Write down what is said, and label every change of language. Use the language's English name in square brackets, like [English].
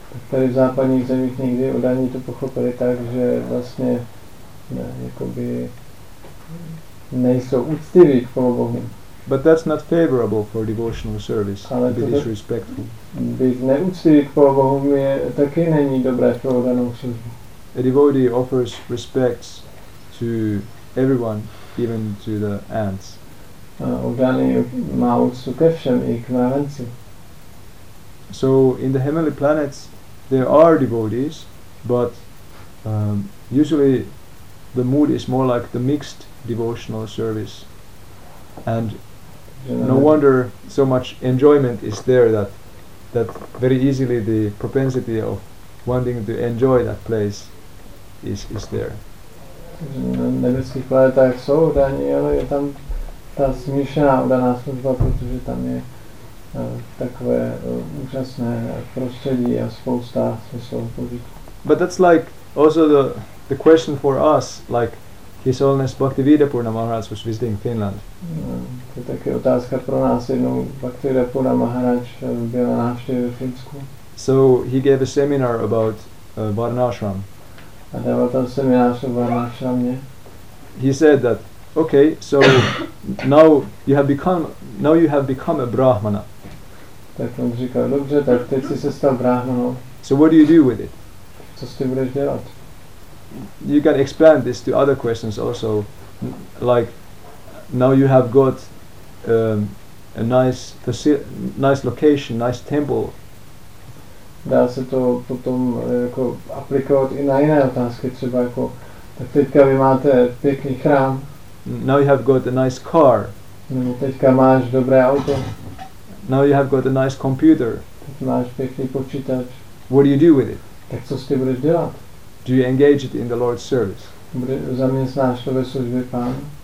[Czech] Tady v západních zemích někdy oddaní to pochopili tak, že vlastně jakoby nejsou úctiví k polobohům. [English] But that's not favorable for devotional service. Ale to be disrespectful. [Czech] Být neúctivý k polobohům je taky není dobré pro oddanou službu. [English] A devotee offers respects to everyone, even to the ants. [Czech] Oddaný má úctu ke všem, i k mravenci. [English] So in the heavenly planets there are devotees, but usually the mood is more like the mixed devotional service, and no wonder so much enjoyment is there that very easily the propensity of wanting to enjoy that place is there. [Czech] Nebeských planetách jsou oddaní, ale je tam ta smíšená oddaná služba, protože tam je takové úžasné prostředí a spousta smyslových požitků. [English] But that's like also the question for us, like His Holiness Bhaktivedanta Purna Maharaj was visiting Finland. [Czech] To je taky otázka pro nás, jednou Bhaktivedanta Purna Maharaj byl na návštěvě v Finsku. [English] So he gave a seminar about Varnashram. [Czech] A dával tam seminář o Varnashramě. [English] He said that, okay, so now you have become a Brahmana. [Czech] Tak on říkal, dobře, tak teď jsi se stal Brahmanou. [English] So what do you do with it? [Czech] Co s tím budeš dělat? [English] You can expand this to other questions also, like now you have got a nice location, nice temple. [Czech] Dá se to potom jako aplikovat i na jiné otázky, třeba jako tak teďka vy máte pěkný chrám. [English] Now you have got a nice car. [Czech] Teďka máš dobré auto. [English] Now you have got a nice computer. [Czech] Tak máš pěkný počítač. [English] What do you do with it? [Czech] Tak co s tím budeš dělat? [English] Do you engage it in the Lord's service? [Czech] Zaměstnáš to ve službě Pána?